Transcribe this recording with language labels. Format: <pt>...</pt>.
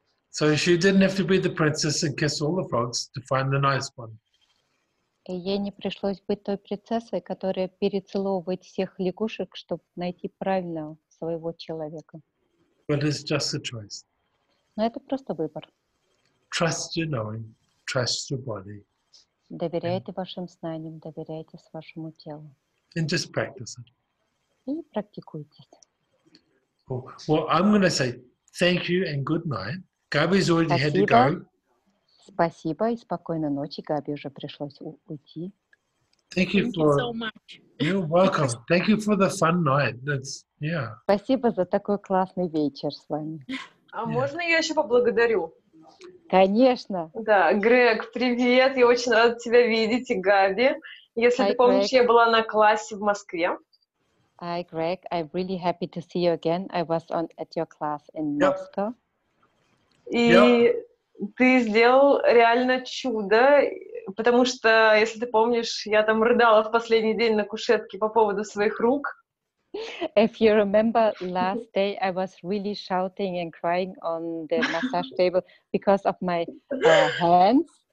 <en>So she didn't have to be the princess and kiss all the frogs to find the nice one.</en> <ru>И ей не пришлось быть той принцессой, которая перецеловывает всех лягушек, чтобы найти правильного своего человека.</ru> <en>But it's just a choice.</en> <ru>Но это просто выбор.</ru> <en>Trust your knowing, trust your body.</en> <ru>Доверяйте вашим знаниям, доверяйте вашему телу.</ru> <en>And just practice it.</en> <ru>И практикуйтесь.</ru> <en>Cool. Well, I'm going to say thank you and good night. Gabby's already</en> <ru>спасибо.</ru> <en>Had to go.</en> <ru>Спасибо и спокойной ночи. Габи уже пришлось уйти.</ru> <en>Thank you for. Thank you so much. You're welcome. Thank you for the fun night. That's yeah.</en> <ru>Спасибо за такой классный вечер с вами. А можно я еще поблагодарю? Конечно. Да, Грег, привет. Я очень рада тебя видеть, и Габи. Если ты помнишь, я была на классе в Москве.</ru> <en>Hi, Greg. I'm really happy to see you again. I was on at your class in Moscow.</en> <ru>И ты сделал реально чудо, потому что, если ты помнишь, я там рыдала в последний день на кушетке по поводу своих рук.</ru> <en>If you remember last day, I was really shouting and crying on the massage table because of my hands.</en>